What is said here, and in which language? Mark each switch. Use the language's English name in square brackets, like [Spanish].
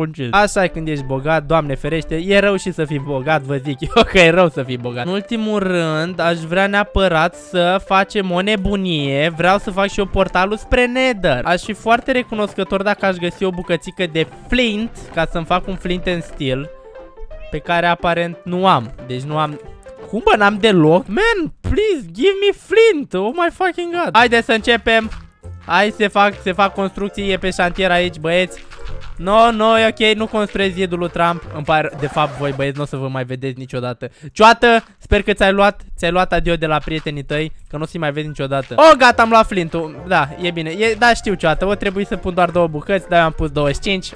[Romanian] Așa e când ești bogat, Doamne ferește, e rău și să fii bogat, vă zic eu că e rău să fii bogat. În ultimul rând, aș vrea neapărat să facem o nebunie, vreau să fac și eu portalul spre Nether. Aș fi foarte recunoscător dacă aș găsi o bucățică de flint, ca să-mi fac un flint and steel. Pe care aparent nu am. Deci nu am. Cum, bă, n-am deloc? [English] Man, please, give me flint. Oh my fucking god. [Romanian] Haide să începem. Hai, se fac construcții. E pe șantier aici, băieți. No, e ok, nu construiesc iedul lui Trump. Îmi pare, de fapt, voi, băieți, nu o să vă mai vedeți niciodată. Cioată, sper că ți-ai luat adio de la prietenii tăi, că nu o să-i mai vezi niciodată. Oh, gata, am luat flintul. Da, e bine. Da, știu, Cioată, o trebuie să pun doar două bucăți, dar eu am pus 25.